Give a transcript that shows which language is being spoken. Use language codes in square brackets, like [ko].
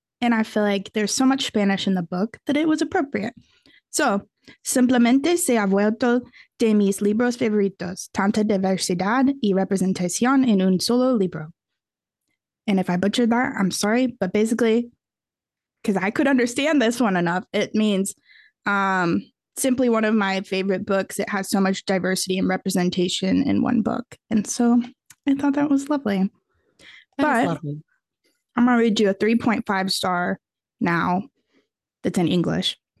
[en] And I feel like there's so much Spanish in the book that it was appropriate. [es] So, simplemente se ha vuelto de mis libros favoritos. Tanta diversidad y representación en un solo libro. [en] And if I butchered that, I'm sorry. But basically, because I could understand this one enough, it means simply one of my favorite books. It has so much diversity and representation in one book. And so I thought that was lovely. I'm going to read you a 3.5 star now that's in English.